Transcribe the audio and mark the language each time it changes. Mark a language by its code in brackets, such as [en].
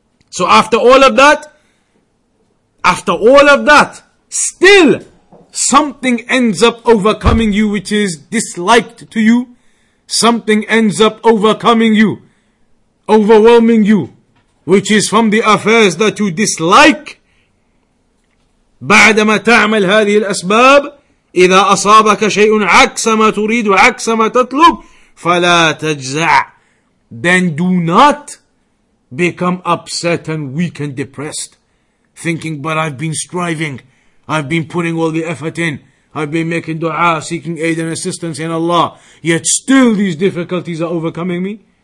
[en] so after all of that, still something ends up overcoming you which is disliked to you, something ends up overcoming you, overwhelming you, which is from the affairs that you dislike. [ar] بعدما تعمل هذه الأسباب إذا أصابك شيء عكس ما تريد وعكس ما تطلب فلا تجزع. [en] Then do not become upset and weak and depressed, thinking, but I've been striving, I've been putting all the effort in, I've been making dua, seeking aid and assistance in Allah, yet still these difficulties are overcoming me.